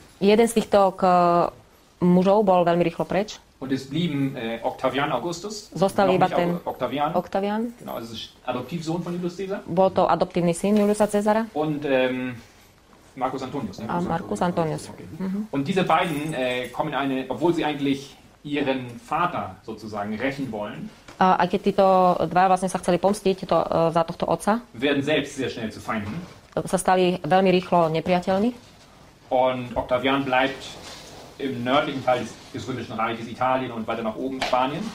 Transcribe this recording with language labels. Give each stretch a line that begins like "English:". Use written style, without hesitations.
Slovak: Jeden z týchto mužov bol veľmi rýchlo preč.
German: Und es blieben Octavian Augustus.
Slovak: Zostal iba ten Octavian. Octavian.
German: Genau, es ist Adoptivsohn von Julius Caesar.
Slovak: Bol to adoptívny syn Juliusa Cezara.
German: Und Marcus Antonius, ne?
Slovak: A Marcus Antonius. Okay.
German: Und diese beiden kommen eine, obwohl sie eigentlich ihren Vater sozusagen rächen wollen.
Slovak: A keď títo dvaja vlastne sa chceli pomstiť to, za tohto otca,
German: werden selbst sehr schnell zu Feinden.
Slovak: Sa stali veľmi rýchlo nepriateľmi.
German: Und Octavian bleibt im nördlichen Teil des römischen Reiches Italien und weiter nach oben Spanien.